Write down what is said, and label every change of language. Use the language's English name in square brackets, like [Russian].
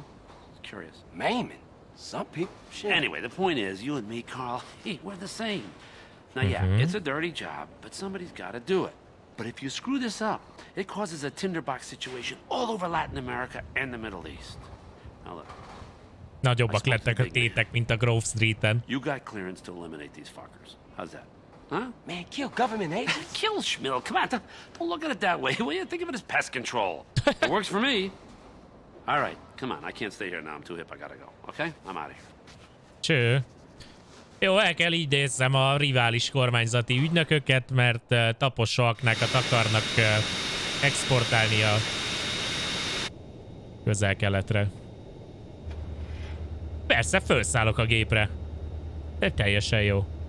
[English] I'm curious. Maiming? Some people? Shit. Anyway, the point is, you and me, Carl, hey, we're the same. Now, yeah, mm-hmm. It's a dirty job, but somebody's got to do it. But if you screw this up, it causes a tinderbox situation all over Latin America and the Middle East. Now, look. [Hungarian] Nagyobbak lettek a tétek, mint a Grove Street-en. [English] You got clearance to eliminate these fuckers. How's that? Huh? Man, kill government agents? Kill Schmill. Come on, don't look at it that way. What do you think of it as pest control? It works for me. All right, come on. I can't stay here now. I'm too hip. I gotta go. Okay? I'm out of here. [Hungarian] Cső. Jó, el kell idézzem a rivális kormányzati ügynököket, mert taposoknak akarnak exportálni a Közel-Keletre. Persze, felszállok a gépre. De teljesen jó.